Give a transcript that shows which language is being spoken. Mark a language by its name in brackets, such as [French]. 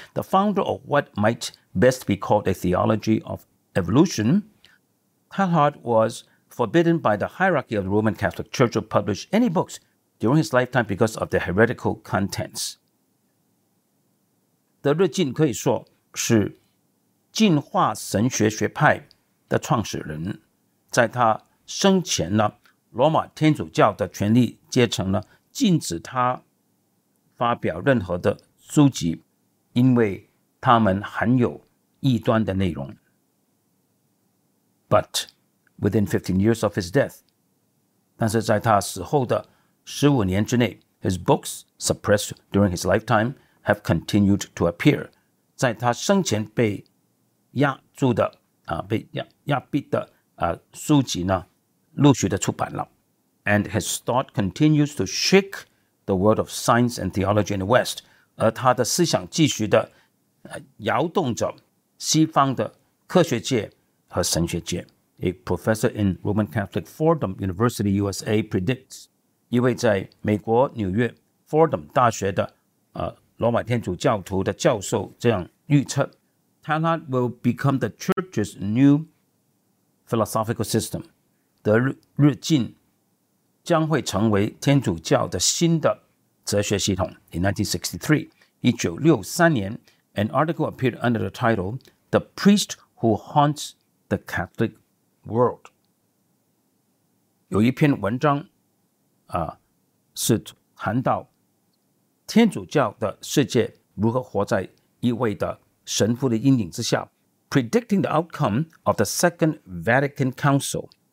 [English] The founder of what might best be called a theology of evolution， Teilhard wasForbidden by the hierarchy of the Roman Catholic Church to publish any books during his lifetime because of their heretical contents。 [Chinese] 德日进可以说是进化神学学派的创始人，在他生前呢，罗马天主教的权力阶层呢禁止他发表任何的书籍，因为他们含有异端的内容。 [English] ButWithin 15 years of his death， [Chinese] 但是在他死后的15年之内， [English] his books suppressed during his lifetime have continued to appear， [Chinese] 在他生前被押注的啊，被压币的啊书籍呢，陆续的出版了。 [English] And his thought continues to shake the world of science and theology in the West. [Chinese] 而他的思想继续的摇动着西方的科学界和神学界。 [English] A professor in Roman Catholic Fordham University, USA predicts. [Chinese] 一位在美国纽约 Fordham 大学的罗马天主教徒的教授这样预测 [English] Talat will become the church's new philosophical system. [Chinese] 德日进将会成为天主教的新的哲学系统。 [English] In 1963, an article appeared under the title The Priest Who Haunts the Catholic World. [Chinese] 有一篇文章是谈到天主教的世界如何活在一位的神父的阴影之下。 [English] Predicting the outcome of the Second Vatican Council.